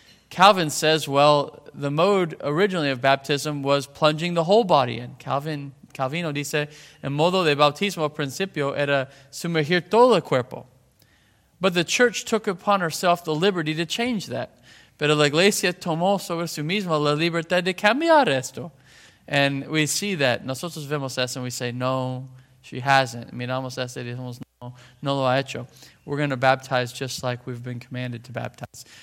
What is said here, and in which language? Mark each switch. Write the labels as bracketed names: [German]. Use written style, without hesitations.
[English] Calvin says, well, the mode originally of baptism was plunging the whole body in. [Spanish] Calvino dice, el modo de bautismo al principio era sumergir todo el cuerpo. [English] But the church took upon herself the liberty to change that. [Spanish] Pero la iglesia tomó sobre sí misma la libertad de cambiar esto. [English] And we see that. [Spanish] Nosotros vemos eso [English] and we say, no, she hasn't. [Spanish] Miramos eso y decimos, no, no lo ha hecho. [English] We're going to baptize just like we've been commanded to baptize.